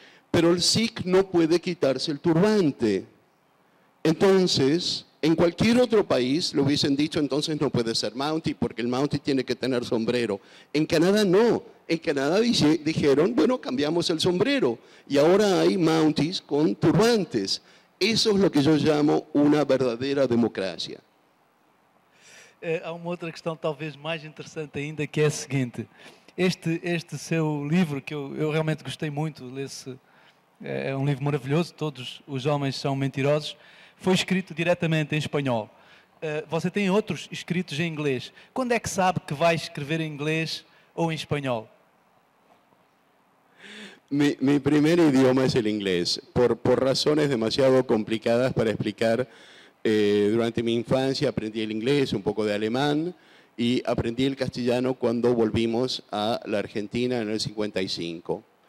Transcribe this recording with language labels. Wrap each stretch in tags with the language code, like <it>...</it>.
<es>Pero el Sikh no puede quitarse el turbante. Entonces, en cualquier otro país le hubiesen dicho, entonces no puede ser Mountie, porque el Mountie tiene que tener sombrero. En Canadá no. En Canadá dijeron, bueno, cambiamos el sombrero, y ahora hay Mounties con turbantes. Eso es lo que yo llamo una verdadera democracia.</es> <pt>Há uma outra questão talvez mais interessante ainda, que é a seguinte. Este seu livro, que eu realmente gostei muito, lê-se, é um livro maravilhoso, Todos os Homens São Mentirosos, foi escrito diretamente em espanhol. Você tem outros escritos em inglês. Quando é que sabe que vai escrever em inglês ou em espanhol?</pt> <es>Mi primer idioma es el inglés, por razones demasiado complicadas para explicar. Durante mi infancia aprendí el inglés, un poco de alemán, y aprendí el castellano cuando volvimos a la Argentina en el 55.</es>